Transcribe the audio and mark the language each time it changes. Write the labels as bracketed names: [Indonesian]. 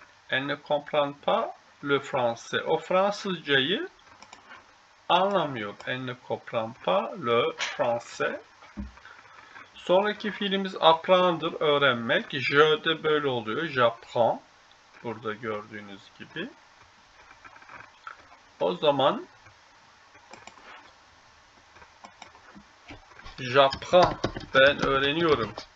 [French] Elle ne comprend pas le français. [Turkish] O Fransızcayı anlamıyor. [French] Elle ne comprend pas le français. [Turkish] Sonraki fiilimiz apprendre, öğrenmek. Je de böyle oluyor. J'apprends. Burada gördüğünüz gibi. O zaman j'apprends, ben öğreniyorum.